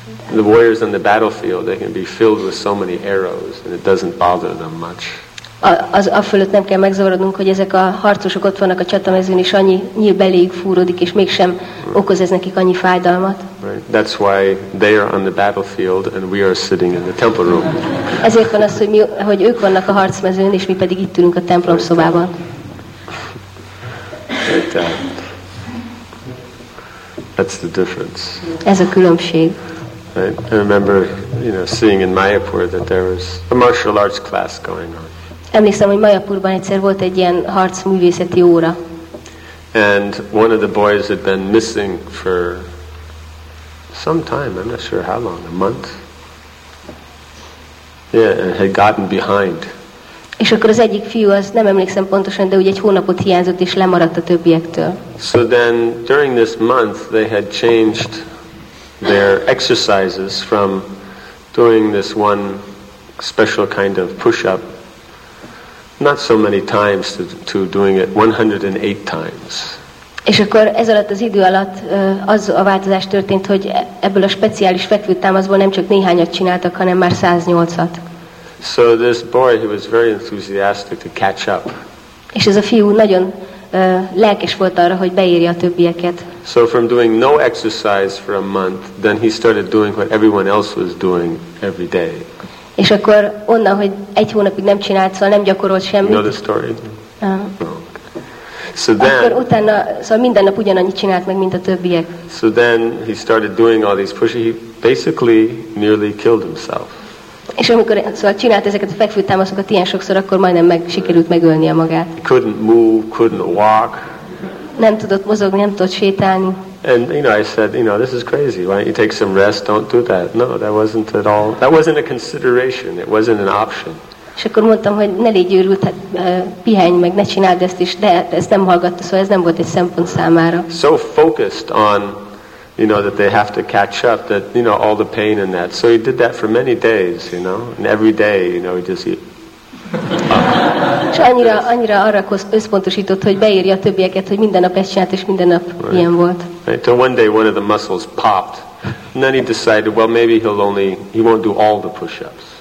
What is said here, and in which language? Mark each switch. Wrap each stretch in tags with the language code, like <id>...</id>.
<en>The warriors on the battlefield, they can be filled with so many arrows, and it doesn't bother them much.</en> <hu>A fölött nem kell megzavarodnunk, hogy ezek a harcosok ott vannak a csatamezőn, és annyi nyíl beléjük fúródik, és mégsem okoz ez nekik annyi fájdalmat.</hu> <en>Right. That's why they are on the battlefield, and we are sitting in the temple room.</en> <hu>Ezért van az, hogy ők vannak a harcmezőn, és mi pedig itt ülünk a templom szobában.</hu> <en>That's the difference.</en> <hu>Ez a különbség.</hu> <en>I remember, you know, seeing in Mayapur that there was a martial arts class going on.</en> <hu>Emlékszem, hogy Mayapurban egyszer volt egy ilyen harcművészeti óra.</hu> <en>And one of the boys had been missing for some time, I'm not sure how long, a month. Yeah, and had gotten behind.</en> <hu>És akkor az egyik fiú, az nem emlékszem pontosan, de úgy egy hónapot hiányzott és lemaradt a többiektől.</hu> <en>So then during this month they had changed their exercises from doing this one special kind of push-up not so many times to doing it 108 times.</en> <hu>És akkor ez alatt az idő alatt az a változás történt, hogy ebből a speciális fekvőtámaszból nem csak néhányat csináltak, hanem már 108-at.</hu> <en>So this boy, he was very enthusiastic to catch up.</en> <hu>És ez a fiú nagyon lelkes volt arra, hogy beírja a többieket.</hu> <en>So from doing no exercise for a month, then he started doing what everyone else was doing every day.</en> <hu>És akkor onnan, hogy egy hónapig nem csinált, szóval nem gyakorolt semmit.</hu> <en>You know the story? So then,</en> <hu>akkor utána, szóval minden nap ugyanannyit csinált meg, mint a többiek.</hu> <en>So then he started doing all these pushes. He basically nearly killed himself.</en> <hu>És amikor szóval csinált ezeket a fekvőtámaszokat ilyen sokszor, akkor majdnem sikerült megölnie magát.</hu> <en>Couldn't move, couldn't walk.</en> <hu>Nem tudott mozogni, nem tudott sétálni.</hu> <en>And you know, I said, you know, this is crazy. Why don't you take some rest? Don't do that. No, that wasn't at all. That wasn't a consideration. It wasn't an option.</en> <hu>És akkor mondtam, hogy ne légy őrült, hát, pihenj meg, ne csináld ezt is. De ezt nem hallgatta, szóval ez nem volt egy szempont számára.</hu> <en>So focused on, you know, that they have to catch up, that, you know, all the pain and that. So he did that for many days, you know, and every day, you know, he just...</en> <hu>És annyira arra összpontosított, hogy beírja a többieket, hogy minden nap ezt csinált, és minden nap</hu> <en>right.</en> <hu>ilyen volt.</hu> <en>Right. So one day one of the muscles popped, and then he decided, well, maybe he won't do all the push-ups.</en>